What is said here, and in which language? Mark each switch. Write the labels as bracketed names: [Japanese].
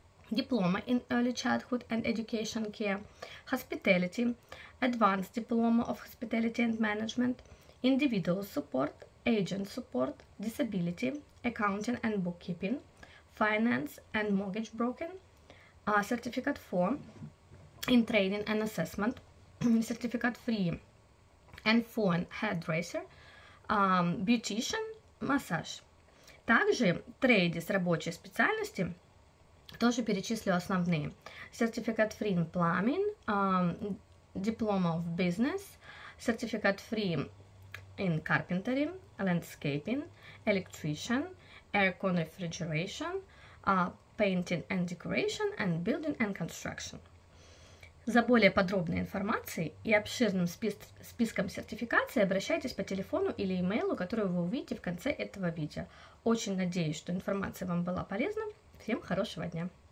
[English] Diploma in Early Childhood and Education Care, Hospitality, Advanced Diploma of Hospitality and Management, Individual Support, Agent Support, Disability, Accounting and Bookkeeping, Finance and Mortgage Broking, Certificate 4 in Training and Assessment, Certificate 3 and 4 in Hairdresser, Beautician, Massage. [Russian] Также трейды с рабочей специальности – тоже перечислю основные. [English] Certificate Free in Plumbing, Diploma of Business, Certificate Free in Carpentry, Landscaping, Electrician, Aircon Refrigeration, Painting and Decoration, and Building and Construction. [Russian] За более подробной информацией и обширным списком сертификаций обращайтесь по телефону или имейлу, который вы увидите в конце этого видео. Очень надеюсь, что информация вам была полезна. Всем хорошего дня!